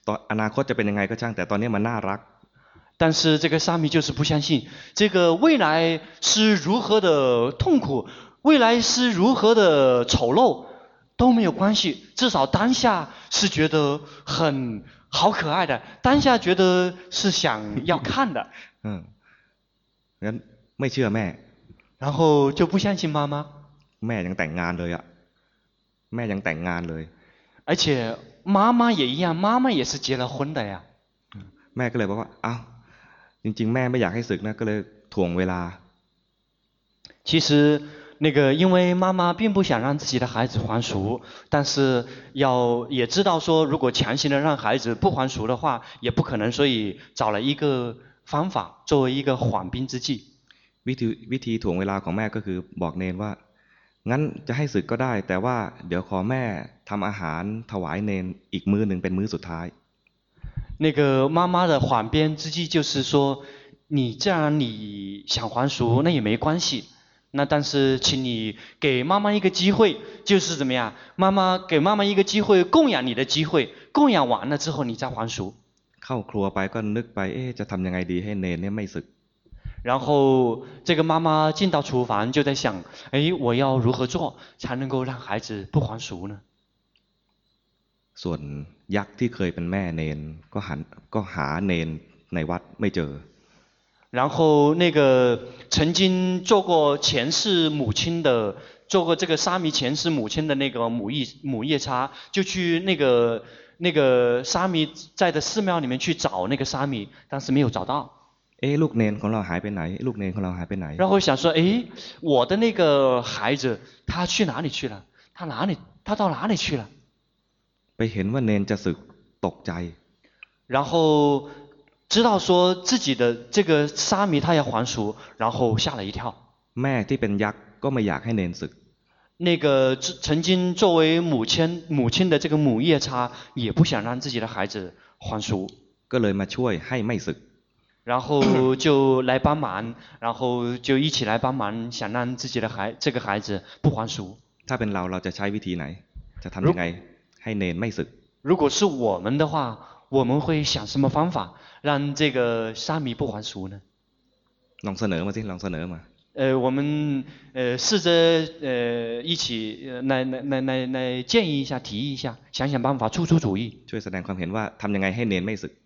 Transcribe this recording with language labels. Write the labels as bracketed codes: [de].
[th] อนาคตจะเป็นยังไงก็ช่างแต่ตอนนี้มันน่ารัก [zh] 但是这个沙弥就是不相信这个未来是如何的痛苦未来是如何的丑陋都没有关系至少当下是觉得很好可爱的当下觉得是想要看的 [th] งั้นไม่เชื่อแม่ [zh] 然后就不相信妈妈 [th] แม่ยังแต่งงานเลยอ่ะแม่ยังแต่งงานเลย [zh] 而且妈妈也一样妈妈也是结了婚的呀 [th] แม่ก็เลยบอกว่าอ้าวจริงๆแม่ไม่อยากให้ศึกนะก็เลยถ่วงเวลา [zh] 其实那个因为妈妈并不想让自己的孩子还俗但是要也知道说如果强行的让孩子不还俗的话也不可能所以找了一个方法作为一个缓兵之计 [th] วิธีถ่วงเวลาของแม่ก็คือบอกเนนว่างั้นจะให้ศึกก็ได้แต่ว่าเดี๋ยวขอแม่ทำอาหารถวายเนนอีกมื้อหนึ่งเป็นมื้อสุดท้าย [zh] 那个妈妈的缓兵之计就是说你既然你想还俗那也没关系那但是请你给妈妈一个机会就是怎么样妈妈给妈妈一个机会供养你的机会供养完了之后你再还俗 [th] เข้าครัวไปก็นึกไปจะทำยังไงดีให้เนนเนี่ยไม่ศึก [zh] 然后这个妈妈进到厨房就在想，哎，我要如何做才能够让孩子不还俗呢？ [th] ส่วนยักษ์ที่เคยเป็นแม่เนนก็หาเนนในวัดไม่เจ [zh] อ然后那个曾经做过前世母亲的做过这个沙弥前世母亲的那个母夜叉就去那个沙弥在的寺庙里面去找那个沙弥但是没有找到 [th] 哎ลูกเนนของเราหายไปไหนลูกเนนของเราหายไปไหน [zh] 然后想说哎我的那个孩子他去哪里去了他到哪里去了 [th] ไปเห็นว่าเนนจะสึกตกใจ [zh] 然后知道说自己的这个沙弥他要还俗然后吓了一跳 [th] แม่ที่เป็นยักษ์ก็ไม่อยากให้เนนสึก [zh] 那个曾经作为母亲的这个母夜叉也不想让自己的孩子还俗 [th] ก็เลยมาช่วยให้ไม่สึก [zh] 然后就来帮忙然后就一起来帮忙想让自己的孩这个孩子不还俗 [th] ถ้าเป็นเราจะใช้วิธีไหนจะทำยังไงให้เนนไม่สึก [zh] 如果是我们的话我们会想什么方法让这个沙弥不还俗呢 [th] ลองเสนอมาสิลองเสนอมา [zh] 我们试着一起来建议一下提议一下想想办法出出主意 [th] ช่วยแสดงความเห็นว่าทำยังไงให้เนนไม่สึก